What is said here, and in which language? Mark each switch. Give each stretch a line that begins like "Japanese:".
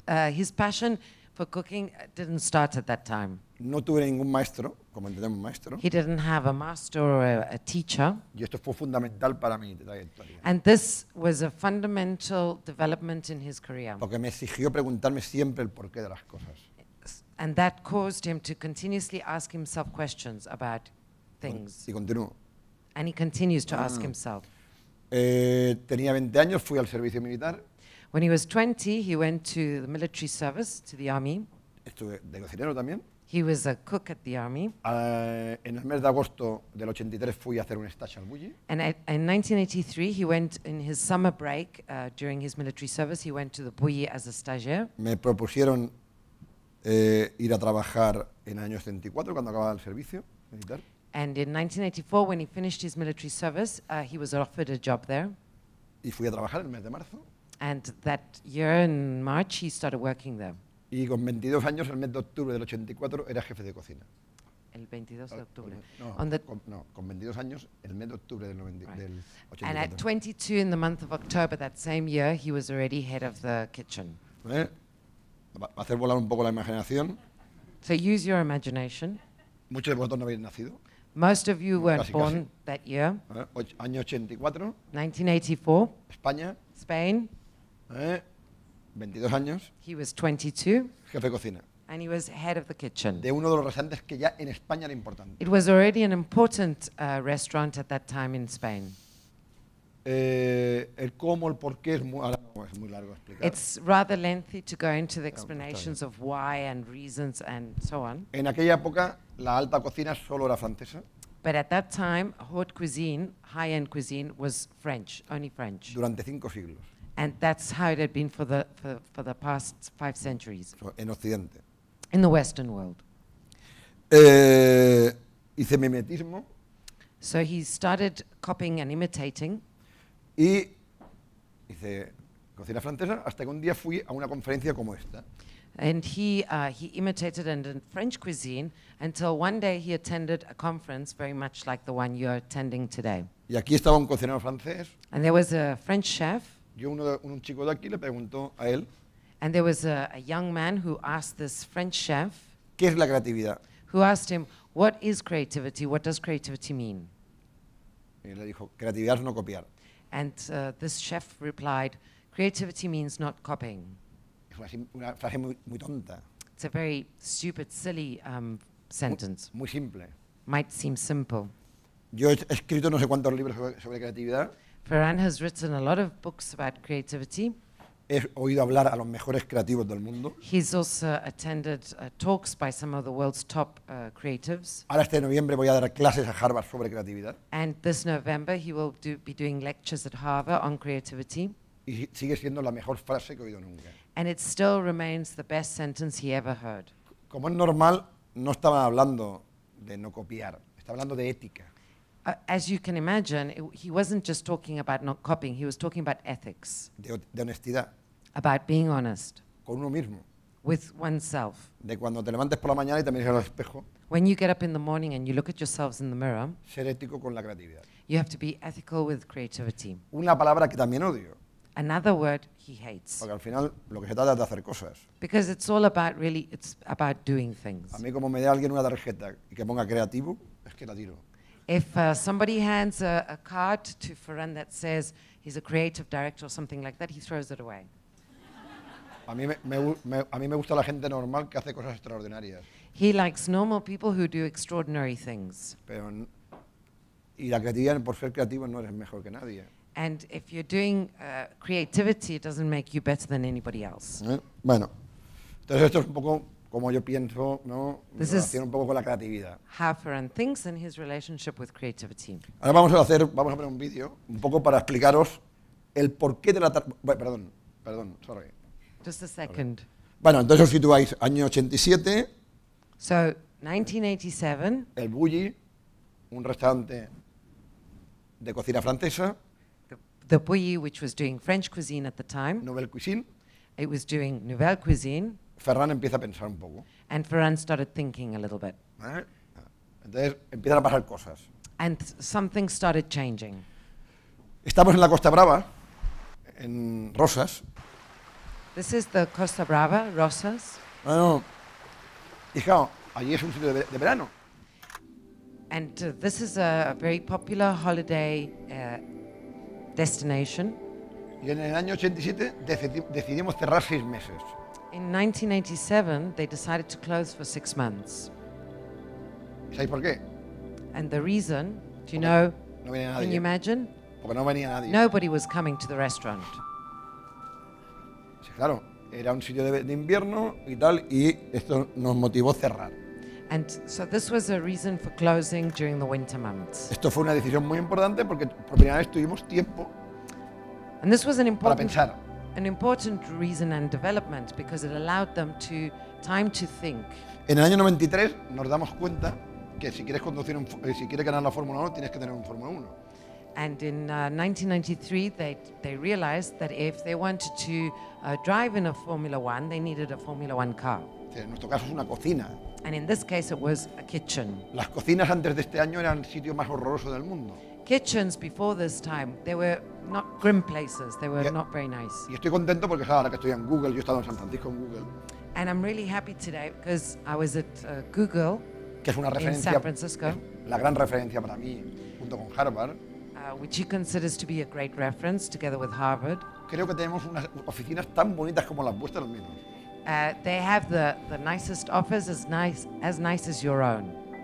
English: His passion for cooking didn't start at that time.
Spanish: No tuve ningún maestro, como entendemos maestro.
English: He didn't have a master or a teacher.
Spanish: Y esto fue fundamental para mi trayectoria.
English: And this was a fundamental development in his career.
Spanish: Porque me exigió preguntarme siempre el porqué de las cosas.
English: And that caused him to continuously ask himself questions about things.
Spanish: Y continuó.
English: And he continues to ask himself.
Spanish: Tenía 20 años, fui al servicio militar.
English: When he was 20, he went to the military service, to the army.
Spanish: Estuve de cocinero también.
English: He was a cook at the army.
Spanish: En el mes de agosto del 83 fui a hacer un stage al Bulli.
English: And in 1983 he went in his summer break during his military service. He went to the Bulli as a stagiaire.
Spanish: Me propusieron ir a trabajar en el año 84 cuando acababa el servicio militar.
English: And in 1984 when he finished his military service, he was offered a job there.
Spanish: Y fui a trabajar en el mes de marzo.
English: And that year in March he started working there.
Spanish: Y con 22 años, el mes de octubre del 84, era jefe de cocina. El 22 de octubre. Con 22 años, el mes de octubre del, del 84.
English: And at 22 in the month of October that same year, he was already head of the kitchen.
Spanish: Va a hacer volar un poco la imaginación.
English: So use your imagination.
Spanish: Muchos de vosotros no habéis nacido.
English: Most of you weren't born that year.
Spanish: Año 84.
English: 1984.
Spanish: España.
English: Spain.
Spanish: 22 años.
English: He was 22.
Spanish: Jefe de cocina.
English: And he was head of the kitchen.
Spanish: De uno de los restaurantes que ya en España era importante.
English: It was already an important restaurant at that time in Spain.
Spanish: El cómo, el por qué es muy largo explicar.
English: It's rather lengthy to go into the explanations of why and reasons and so on.
Spanish: En aquella época la alta cocina solo era francesa.
English: But at that time haute cuisine, high-end cuisine was French, only French.
Spanish: Durante 5 siglos.
English: And that's how it had been for the past 5 centuries.
Spanish: En Occidente.
English: In the Western world.
Spanish: Hice mimetismo.
English: So he started copying and imitating.
Spanish: Y hice cocina francesa hasta que un día fui a una conferencia como esta.
English: And he imitated and in French cuisine until one day he attended a conference very much like the one you're attending today.
Spanish: Y aquí estaba un cocinero francés.
English: And there was a French chef.
Spanish: Yo un chico de aquí le preguntó a él.
English: And there was a young man who asked this French chef.
Spanish: ¿Qué es la creatividad?
English: Who asked him, what is creativity? What does creativity mean?
Spanish: Y le dijo, creatividad es no copiar.
English: And this chef replied, creativity means not copying.
Spanish: Es una frase muy, muy tonta.
English: It's a very stupid, silly sentence.
Spanish: Muy, muy simple.
English: Might seem simple.
Spanish: Yo he escrito no sé cuántos libros sobre creatividad.
English: Ferran has written a lot of books about creativity.
Spanish: He oído hablar a los mejores creativos del mundo.
English: He's also attended talks by some of the world's top creatives.
Spanish: Ahora este noviembre voy a dar clases a Harvard sobre creatividad.
English: And this November he will be doing lectures at Harvard on creativity.
Spanish: Y sigue siendo la mejor frase que he oído nunca.
English: And it still remains the best sentence he ever heard.
Spanish: Como es normal, no estaba hablando de no copiar, estaba hablando de ética.
English: As you can imagine, he wasn't just talking about not copying, he was talking about ethics.
Spanish: De honestidad.
English: About being honest.
Spanish: Con uno mismo.
English: With oneself.
Spanish: De cuando te levantes por la mañana y te miras al espejo.
English: When you get up in the morning and you look at yourselves in the mirror.
Spanish: Ser ético con la creatividad.
English: You have to be ethical with creativity.
Spanish: Una palabra que también odio.
English: Another word he hates.
Spanish: Porque al final lo que se trata es de hacer cosas.
English: Because it's all about really, it's about doing things.
Spanish: A mí como me dé alguien una tarjeta y que ponga creativo, es que la tiro.
English: If somebody hands a card to Ferran that says he's a creative director or something like that, he throws it away.
Spanish: A mí me gusta la gente normal que hace cosas extraordinarias.
English: He likes normal people who do extraordinary things.
Spanish: Pero y la creatividad, por ser creativo, no eres mejor que nadie.
English: And if you're doing creativity, it doesn't make you better than anybody else.
Spanish: Bueno, entonces esto es un poco como yo pienso, ¿no?
English: This is
Spanish: un poco con la creatividad.
English: How Ferran thinks and his relationship with creativity.
Spanish: Ahora vamos a poner un vídeo, un poco para explicaros el porqué de la tarjeta. Perdón,
English: sorry. Just a second.
Spanish: Bueno, entonces os situáis año 87.
English: So, 1987.
Spanish: El Bulli, un restaurante de cocina francesa.
English: The Bulli, which was doing French cuisine at the time.
Spanish: Nouvelle cuisine.
English: It was doing Nouvelle cuisine.
Spanish: Ferran empieza a pensar un poco.
English: And Ferran started thinking a little bit.
Spanish: Entonces empiezan a pasar cosas.
English: And something started changing.
Spanish: Estamos en la Costa Brava, en Rosas.
English: This is the Costa Brava, Rosas.
Spanish: Bueno, fijaos, allí es un sitio de verano.
English: And this is a very popular holiday destination.
Spanish: Y en el año 87 decidimos cerrar 6 meses.
English: In 1987, they decided to close for 6 months.
Spanish: ¿Sabéis por qué?
English: And the reason, do you know,
Spanish: no venía nadie.
English: Can you imagine?
Spanish: Porque no venía nadie.
English: Nobody was coming to the restaurant.
Spanish: Sí, claro, era un sitio de invierno y tal, y esto nos motivó a cerrar.
English: And so this was a reason for closing during the winter months.
Spanish: Esto fue una decisión muy importante porque por primera vez tuvimos tiempo para pensar.
English: An important reason and development because it allowed them to time to think.
Spanish: En el año 93 nos damos cuenta que si quieres conducir si quieres ganar la Fórmula 1 tienes que tener un Fórmula 1.
English: And in 1993 they realized that if they wanted to drive in a Formula 1 they needed a Formula 1 car.
Spanish: En nuestro caso es una cocina.
English: And in this case it was a kitchen.
Spanish: Las cocinas antes de este año eran el sitio más horroroso del mundo.
English: Kitchens before this time, they were not grim places, they were not very nice.
Spanish: Y estoy contento porque ahora que estoy en Google, yo he estado en San Francisco en Google.
English: And I'm really happy today because I was at Google,
Spanish: que es una referencia,
English: in San Francisco.
Spanish: La gran referencia para mí, junto con Harvard.
English: Which he considers to be a great reference, together with Harvard.
Spanish: Creo que tenemos unas oficinas tan bonitas como las vuestras, al menos.
English: They have the nicest office, as nice as your own.